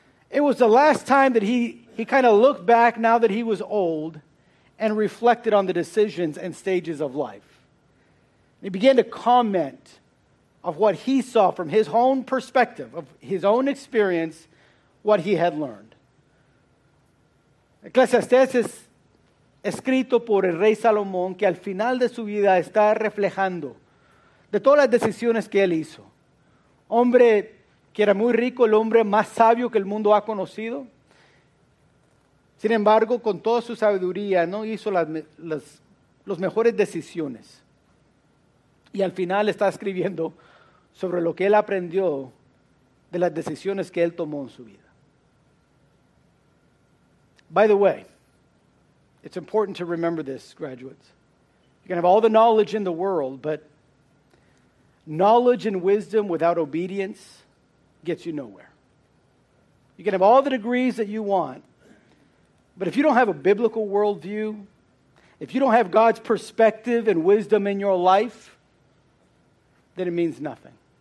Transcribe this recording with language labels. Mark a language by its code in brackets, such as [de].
[en] It was the last time that he kind of looked back now that he was old and reflected on the decisions and stages of life. He began to comment of what he saw from his own perspective, of his own experience, what he had learned. [es] Ecclesiastes es escrito por el rey Salomón, que al final de su vida está reflejando de todas las decisiones que él hizo. Hombre que era muy rico, el hombre más sabio que el mundo ha conocido. Sin embargo, con toda su sabiduría, no hizo las mejores decisiones. Y al final está escribiendo sobre lo que él aprendió de las decisiones que él tomó en su vida. [en] By the way, it's important to remember this, graduates. You can have all the knowledge in the world, but knowledge and wisdom without obedience gets you nowhere. You can have all the degrees that you want, but if you don't have a biblical worldview, if you don't have God's perspective and wisdom in your life, then it means nothing.